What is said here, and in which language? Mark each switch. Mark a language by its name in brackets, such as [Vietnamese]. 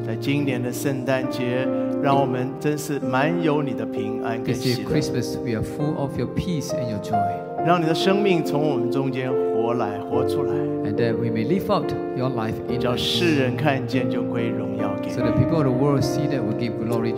[Chinese] 在今年的圣诞节让我们真是满有你的平安跟喜乐 [English] This year Christmas, we are full of your peace and your joy [Chinese] 让你的生命从我们中间活来活出来 [English] And that we may live out your life in us [Chinese] 叫世人看见就归荣耀 [English] So the people of the world see that we give glory to you.